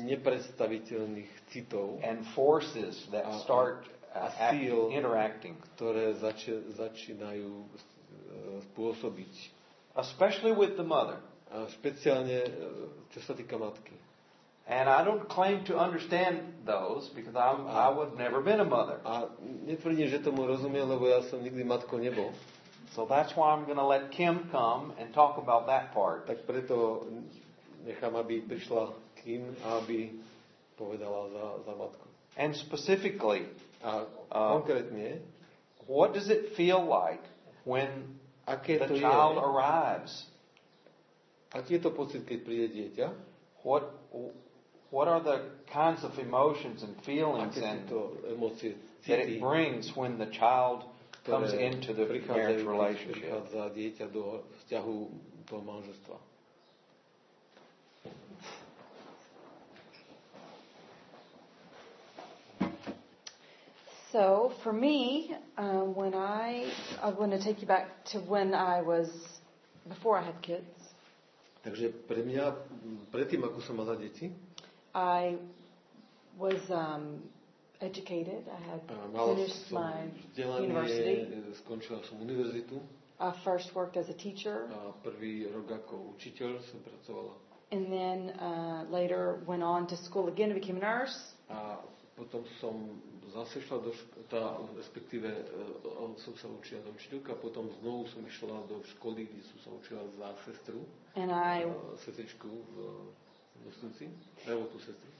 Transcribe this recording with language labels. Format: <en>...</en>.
<sk>nepredstaviteľných citov</sk> <en>and forces that start</en> <sk>síl,</sk> <en>interacting,</en> <sk>ktoré začínajú spôsobiť,</sk> <en>especially with the mother,</en> <sk>špeciálne čo sa týka matky.</sk> <en>And I don't claim to understand those because I would never been a mother.</en> <sk>A netvrdím, že tomu rozumiem, lebo ja som nikdy matkou nebol.</sk> <en>So that's why I'm going to let Kim come and talk about that part.</en> <sk>Tak preto nechám, aby prišla Kim, aby povedala za matku.</sk> <en>And specifically,</en> <sk>konkrétne,</sk> <en>what does it feel like when</en> <sk>aké</sk> <en>the child arrives?</en> <sk>Aký je to pocit, keď príde dieťa?</sk> <en>What are the kinds of emotions and feelings and</en> <sk>emócie,</sk> <en>that it brings when the child comes into the marriage relationship?</en> <sk>Za dieťa do vzťahu do manželstva.</sk> <en>So for me, I want to take you back to when I was before I had kids.</en> <sk>Takže pre mňa, predtým, ako som mala deti,</sk> <en>I was educated. I had finished my university.</en> <sk>Skončila som univerzitu.</sk> <en>I first worked as a teacher.</en> <sk>A prvý rok ako učiteľ som pracovala.</sk> <en>And then later went on to school again and became a nurse.</en> <sk>A potom som zase šla do respektíve som sa učila za učiteľka, potom znovu som išla do školy, kde som sa učila za sestru.</sk> <en>And I</en> <sk>sestričku v nosnici, alebo tú sestru.</sk>